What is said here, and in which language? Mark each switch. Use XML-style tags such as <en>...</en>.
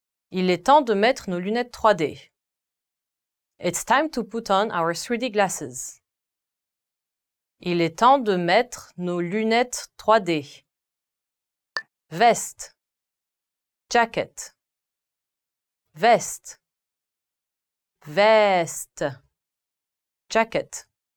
<fr>Il est temps de mettre nos lunettes 3D.</fr> <en>It's time to put on our 3D glasses.</en> <fr>Il est temps de mettre nos lunettes 3D. Veste, jacket, veste, veste, jacket.</fr>